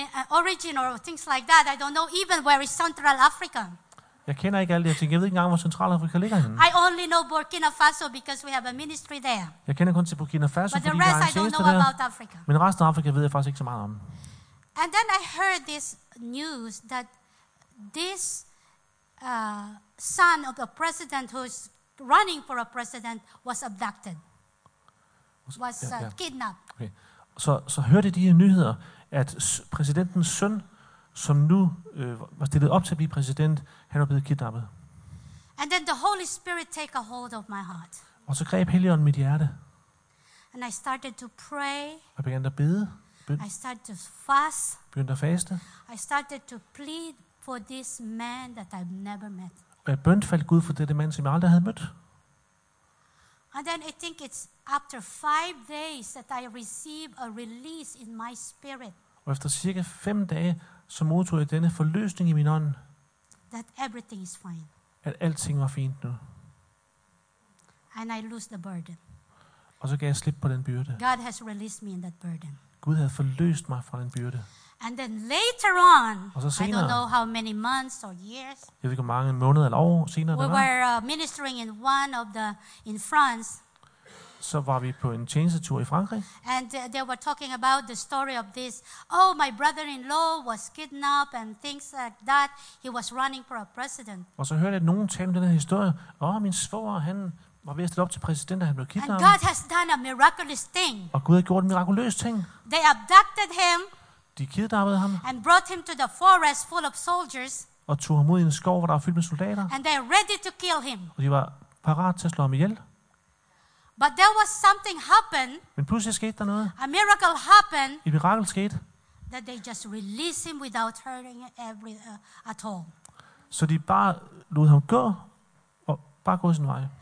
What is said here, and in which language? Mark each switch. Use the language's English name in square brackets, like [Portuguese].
[English] Origin or things like that. I don't know even where is Central Africa. [Danish] Jeg kender ikke alt det. Jeg ved ikke engang hvor Centralafrika ligger henne. [English] I only know Burkina Faso because we have a ministry there. [Danish] Jeg kender kun til Burkina Faso, [English] but the rest I don't know about Africa. [Danish] Men resten af Afrika ved jeg faktisk ikke så meget om. [English] And then I heard this news that this son of a president who's running for a president was abducted. Kidnapped. Okay. [Danish] Så hørte de her nyheder, at præsidentens søn, som nu var stillet op til at blive præsident, han var blevet kidnappet. [English] And then the Holy Spirit take a hold of my heart. [Danish] Og så greb Helligånden mit hjerte. [English] And I started to pray. [Danish] Jeg begyndte at bede. [English] I started to fast. [Danish] Begyndte at faste. [English] I started to plead for this man that I've never met. [Danish] Og jeg bønfaldt Gud for dette mand, som jeg aldrig havde mødt. [English] And then I think it's after 5 days that I receive a release in my spirit. [Danish] Og efter cirka 5 dage, så modtog jeg denne forløsning i min ånd. [English] That everything is fine. [Danish] At alting var fint nu. [English] And I lose the burden. [Danish] Og så gav jeg slip på den byrde. [English] God has released me in that burden. [Danish] Gud havde forløst mig fra den byrde. [English] And then later on, [Danish] senere, [English] I don't know how many months or years. [Danish] Jeg ved ikke, mange måneder eller år senere. [English] We were ministering in one of the in France. [Danish] Så var vi på en tjenestetur i Frankrig. [English] And they were talking about the story of this. Oh, my brother-in-law was kidnapped and things like that. He was running for a president. [Danish] Og så hørte jeg nogen tale om den her historie. Åh, min svoger, han var ved at stille op til præsident, da han blev kidnappet. [English] And God has done a miraculous thing. [Danish] Og Gud har gjort en mirakuløs ting. [English] They abducted him. [Danish] De kidnappede ham. [English] And brought him to the forest full of soldiers. [Danish] Og tog ham ud i en skov, hvor der var fyldt med soldater. [English] And they are ready to kill him. [Danish] Og de var parat til at slå ham ihjel. [English] But there was something happened. [Danish] Men pludselig skete der noget. [English] A miracle happened. [Danish] Et mirakel skete. [English] That they just release him without hurting every at all. [Danish] Så de bare lod ham gå og bare gå sin vej.